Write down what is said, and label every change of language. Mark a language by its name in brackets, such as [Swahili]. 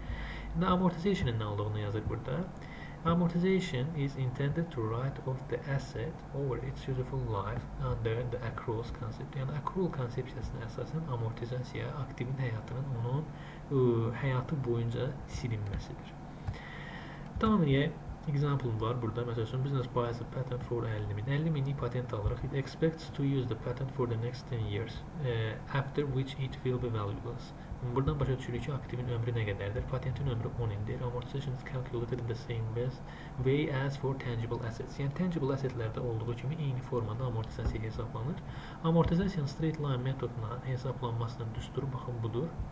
[Azerbaijani] İndi amortization-ın nə olduğunu yazır burada. [English] Amortization is intended to write off the asset over its useful life under the accruals concept. [Azerbaijani] Yəni, accrual konsepsiyasına əsasən amortizasiya aktivin həyatının onun həyatı boyunca silinməsidir. Tamam, niyə? Example var burada. Məsəl üçün, [English] business buys a patent for [Azerbaijani] 50 min. 50 minlik patent alırıq. [English] It expects to use the patent for the next 10 years, after which it will be valueless. [Azerbaijani] Buradan başa düşürük ki, aktivin ömrü nə qədərdir? Patentin ömrü 10 ildir. [English] Amortization is calculated in the same way as for tangible assets. [Azerbaijani] Yəni, tangible assetlərdə olduğu kimi eyni formada amortizasiya hesablanır. Amortizasiyanın straight line metoduna hesablanmasının düsturu, baxın, budur.